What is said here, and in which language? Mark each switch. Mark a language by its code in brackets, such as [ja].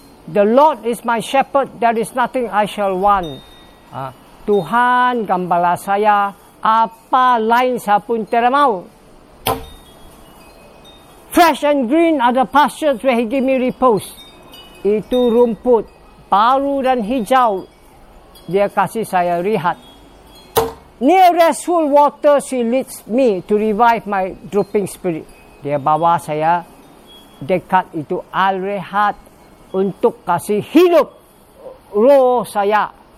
[en] The Lord is my shepherd, there is nothing I shall want. [ms] Tuhan gembala saya, apa lain saya pun tidak mau. [en] Fresh and green are the pastures where he give me repose. [ms] Itu rumput baru dan hijau. Dia kasih saya rehat. [en] Near restful water, she leads me to revive my drooping spirit. [ms] Dia bawa saya dekat itu air rehat untuk kasih hidup roh saya.